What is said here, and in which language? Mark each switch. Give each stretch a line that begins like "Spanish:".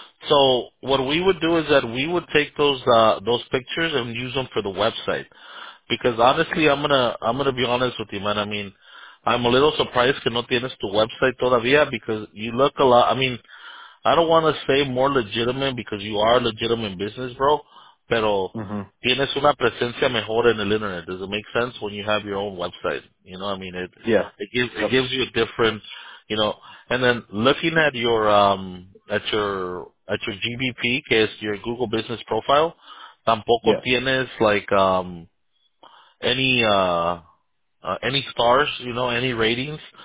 English: So what we would do is that we would take those pictures and use them for the website. Because honestly, I'm gonna be honest with you, man. I mean, I'm a little surprised
Spanish: que no tienes tu website todavía,
English: because you look a lot. I mean, I don't want to say more legitimate, because you are a legitimate business, bro.
Spanish: Pero tienes una presencia mejor en el internet.
English: Does it make sense when you have your own website? You know, I mean, it gives you a different. You know, and then looking at your GBP,
Spanish: que es
English: your Google Business Profile,
Spanish: tampoco tienes
English: like any stars, you know, any ratings.